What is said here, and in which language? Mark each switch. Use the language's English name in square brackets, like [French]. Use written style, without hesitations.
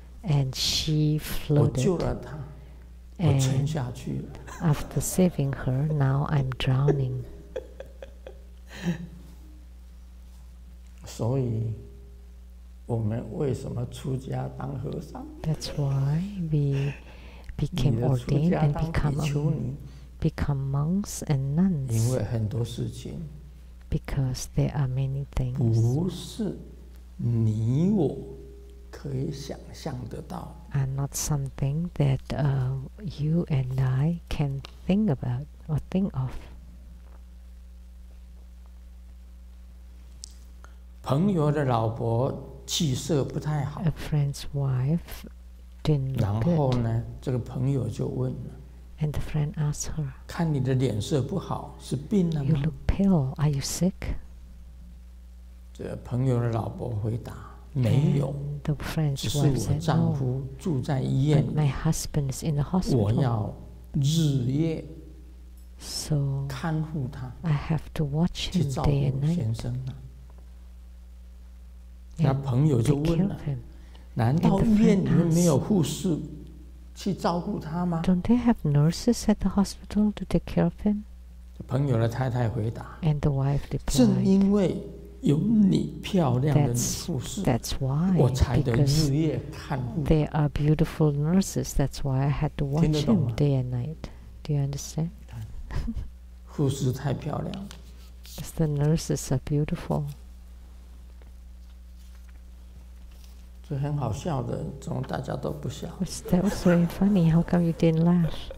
[English] And she floated. [Chinese] 我救了她。 [English] And、 [Chinese] 我沉下去了。 [English] After saving her, now I'm drowning. [Chinese] 所以，我们为什么出家当和尚 [English] ？That's why we became ordained and become monks and nuns. [Chinese] 因为很多事情。 [English] Because there are many things. [Chinese] 不是你我可以想象得到。 [English] Are not something that you and I can think about or think of. [Chinese] 朋友的老婆气色不太好。 [English] A friend's wife didn't look good. [Chinese] 然后呢，这个朋友就问了。 [English] And the friend asked her. [Chinese] 看你的脸色不好，是病了吗？ [English] You look pale. Are you sick? [Chinese] 这朋友的老婆回答。没有， [English] the [Chinese] 只是我丈夫住在医院。 [English] My husband is in the hospital. [Chinese] 我要日夜 [English] ，so [Chinese] 看护他。 [English] I have to watch him day and night. [Chinese] 先生呢？那朋友就问了：难道医院里面没有护士去照顾他吗 [English] ？Don't they have nurses at the hospital to take care of him？ [Chinese] 朋友的太太回答 [English] ：And the wife replied， [Chinese] 正因为。有你漂亮的护士 [English] that's why, [Chinese] 我才得日夜看护 [English] There are beautiful nurses That's why I had to watch him day and night Do you understand? [Chinese] 护士太漂亮 [English] Because the nurses are beautiful [Chinese] 这很好笑的怎么大家都不笑 [English] That was very funny How come you didn't laugh?